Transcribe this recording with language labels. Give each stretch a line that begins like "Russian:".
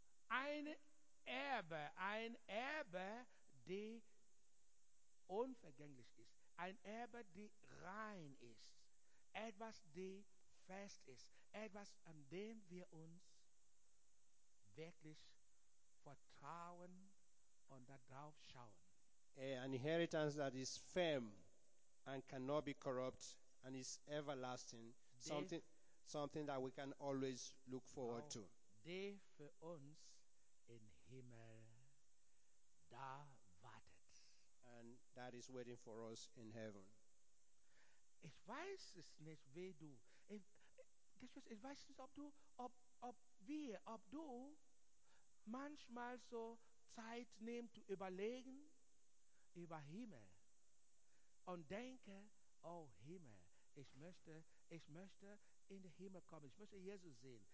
German: Ein Erbe, die unvergänglich ist. Ein Erbe, die rein ist. Etwas, die fest ist, etwas, an dem wir uns wirklich vertrauen und darauf schauen.
English: An inheritance that is firm and cannot be corrupt and is everlasting. Something that we can always look forward to.
German: Der für uns im Himmel da wartet.
English: And that is waiting for us in heaven.
German: Ich weiß es nicht, wie du. Ich weiß nicht, ob du manchmal so Zeit nimmst, zu überlegen über Himmel und denke, oh Himmel, ich möchte in den Himmel kommen, ich möchte Jesus sehen.